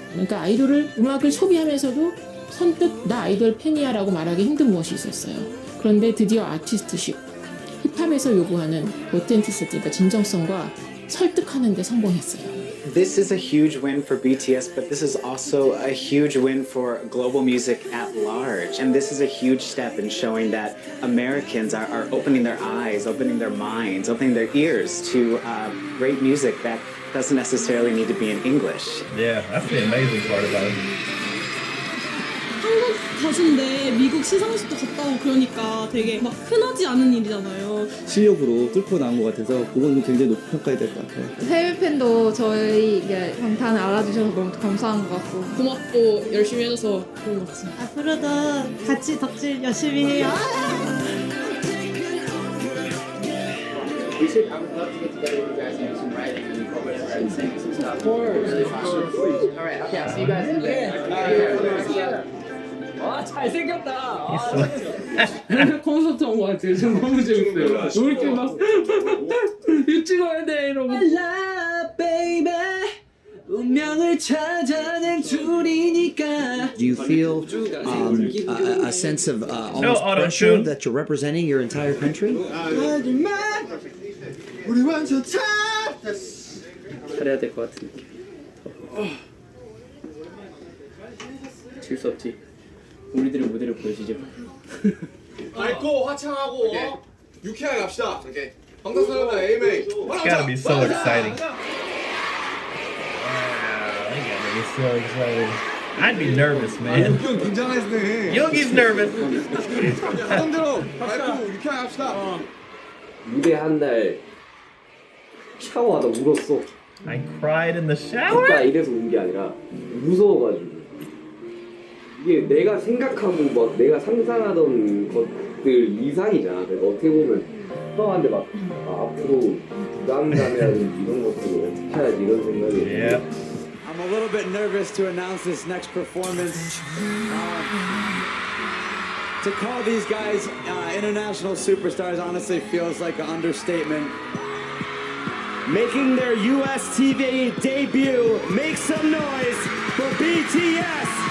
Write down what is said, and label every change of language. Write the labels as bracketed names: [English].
[Korean] 그러니까 아이돌을 음악을 소비하면서도 선뜻 나 아이돌 팬이야라고 말하기 힘든 무엇이 있었어요. 그런데 드디어 아티스트십, 힙합에서 요구하는 오텐티시티가 진정성과 설득하는 데 성공했어요. [English] This is a huge win for BTS, but this is also a huge win for global music at large. And this is a huge step in showing that Americans are opening their eyes, opening their minds, opening their ears to great music that doesn't necessarily need to be in English. Yeah, that's the amazing part about it. [Korean] 가수인데 미국 시상식도 갔다고 그러니까 되게 막 흔하지 않은 일이잖아요. 실력으로 뚫고 나온 것 같아서 그거는 굉장히 높은 평가가 될 것 같아요. 해외 팬도 저희 방탄을 알아주셔서 너무 감사한 것 같고 고맙고 열심히 해줘서 좋은 것 같아요. 앞으로도 같이 덕질 열심히 해요. [English] Oh, good. [Korean] Concert 온 것 같아요. 지금 너무 재밌어요. 우리 팀 막 유치원에 대해 이러고. [English] I love baby. [Korean] 운명을 찾아낸 둘이니까. [English] Do you feel a sense of almost pressure that you're representing your entire country? [Korean] 하지만 우리 완전 다 잘해야 될 것 같은 느낌. 질 수 없지. 우리들의 무대를 보여주죠. 밝고 화창하고 okay. 유쾌하게 갑시다. 오케이. 방탄소년단 AMA. [English] It's gotta be so exciting. Wow, I gotta be so excited. I'd be nervous, man. [Korean] 용기 긴장했네. [English] 용기's nervous. [Korean] 하던 대로 밝고 유쾌하게 갑시다. 무대 한 날 샤워하다 울었어. [English] I cried in the shower. [Korean] 그니까 이래서 운 게 아니라 무서워가지고. 이게 내가 생각하고 막 내가 상상하던 것들 이상이잖아. 내가 어떻게 보면 형한테 막 아, 앞으로 부담감이라든지 이런 것들을 해야지 이런 생각이 [English] yeah. [Korean] 들어요. [English] I'm a little bit nervous to announce this next performance. To call these guys international superstars honestly feels like an understatement. Making their US TV debut, make some noise for BTS!